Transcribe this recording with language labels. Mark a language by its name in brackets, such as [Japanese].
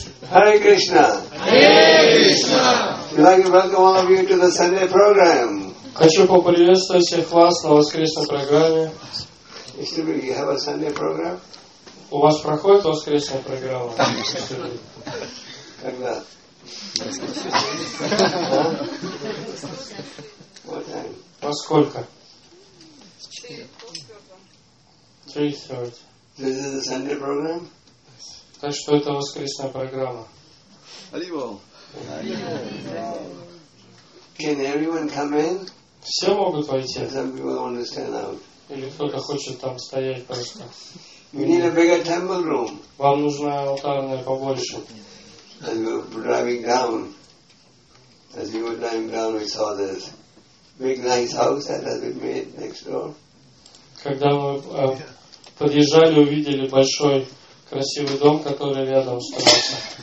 [English] Hare Krishna. Hare Krishna. We'd like to welcome all of you to the Sunday program. [Russian] Хочу поприветствовать всех вас на воскресной программе. [English] Do you have a Sunday program? [Russian] У вас проходит воскресная программа? Когда? Во сколько? [English] 3:30. This is the Sunday program? [Russian] Так что это воскресная программа. [English] Can everyone come in? [Russian] Все могут войти. [English] Some people want to stand out. [Russian] Или кто-то хочет там стоять просто. [English] We need a bigger temple room. [Russian] Вам нужна алтарная побольше. [English] And we were driving down. As we were driving down, we saw this big nice house that has been made next door. [Russian] Когда мы подъезжали, увидели большой красивый дом, который рядом строится.